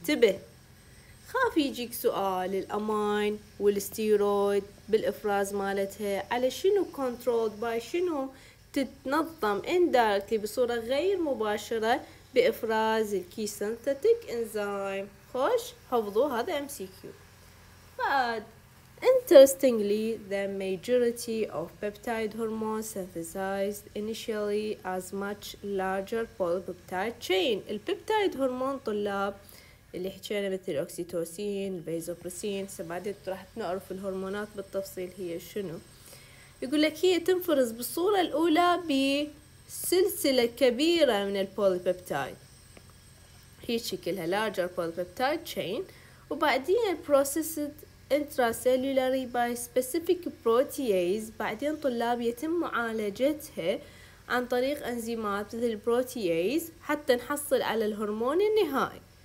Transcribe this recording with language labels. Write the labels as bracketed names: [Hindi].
[Arabic] انتبه، خاف يجيك سؤال الامين والستيرويد بالافراز مالتها على شنو [English] controlled by, [Arabic] شنو تتنظم اندايركتلي بصوره غير مباشره بافراز الكي سينثيتك انزيم. خوش، حفظوا هذا MCQ. [English] بعد، interestingly the majority of peptide hormones synthesized initially as much larger polypeptide chain. [Arabic] البيبتايد هرمون طلاب اللي حكينا مثل الاوكسيتوسين البيزوبرسين، بعدين راح نعرف الهرمونات بالتفصيل هي شنو. يقول لك هي تنفرز بالصوره الاولى بسلسله كبيره من البوليبيبتايد، هي شكلها [English] larger polypeptide chain، [Arabic] وبعدين [English] processed intracellularly by specific protease، [Arabic] بعدين طلاب يتم معالجتها عن طريق انزيمات مثل البروتيز حتى نحصل على الهرمون النهائي.